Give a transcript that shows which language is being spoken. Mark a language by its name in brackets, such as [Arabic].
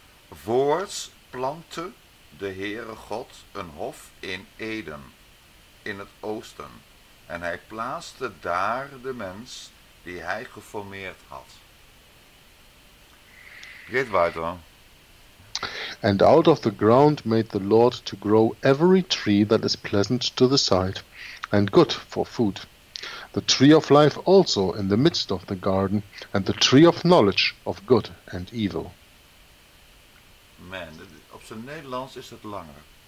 [Dutch] Voorts plantte de Heere God een hof in Eden, in het oosten. En hij plaatste daar de mens die hij geformeerd had. [Luxembourgish] Geet weiter. [English] And out of the ground made the Lord to grow every tree that is pleasant to the sight, and good for food. The tree of life also in the midst of the garden, and the tree of knowledge of good and evil. [Dutch] Man, op zijn Nederlands is het langer.